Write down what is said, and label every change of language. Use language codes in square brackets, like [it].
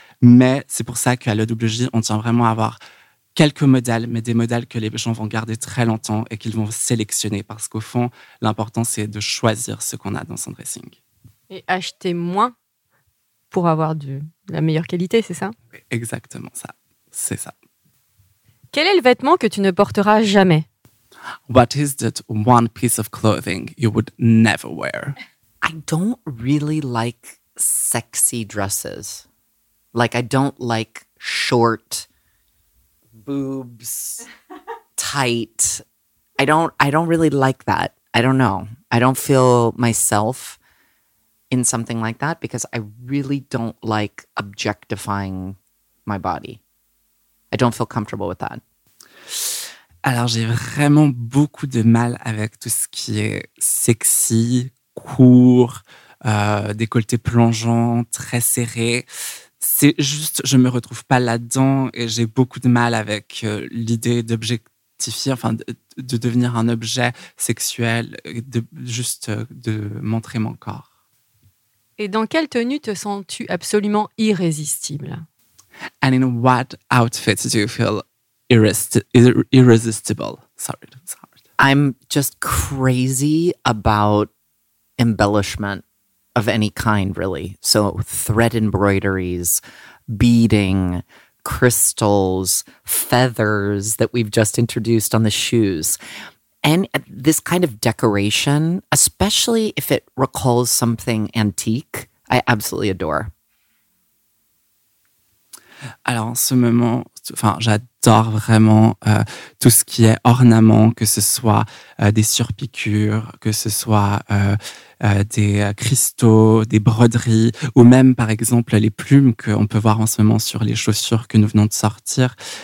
[fr] Mais c'est pour ça qu'à l'EWJ, on tient vraiment à avoir quelques modèles, mais des modèles que les gens vont garder très longtemps et qu'ils vont sélectionner. Parce qu'au fond, l'important, c'est de choisir ce qu'on a dans son dressing. Et acheter moins pour avoir de la meilleure qualité, c'est ça? Exactement ça, c'est ça. Quel est le vêtement que tu ne porteras jamais? [en] What is that one piece of clothing you would never wear? I don't really like sexy dresses. Like, I don't like short boobs, tight. I don't really like that. I don't know. I don't feel myself in something like that because I really don't like objectifying my body. I don't feel comfortable with that. [fr] Alors, j'ai vraiment beaucoup de mal avec tout ce qui est sexy, court, décolleté plongeant, très serré. C'est juste, je ne me retrouve pas là-dedans et j'ai beaucoup de mal avec l'idée d'objectifier, enfin, de devenir un objet sexuel, de montrer mon corps. Et dans quelle tenue te sens-tu absolument irrésistible? [en] And in what outfit do you feel irresistible? Sorry. I'm just crazy about embellishment of any kind, really. So thread embroideries, beading, crystals, feathers that we've just introduced on the shoes. And this kind of decoration, especially if it recalls something antique, I absolutely adore. [fr] Alors, en ce moment, j'adore vraiment tout ce qui est ornement, que ce soit des surpiqûres, que ce soit des cristaux, des broderies, ou même, par exemple, les plumes qu'on peut voir en ce moment sur les chaussures que nous venons de sortir.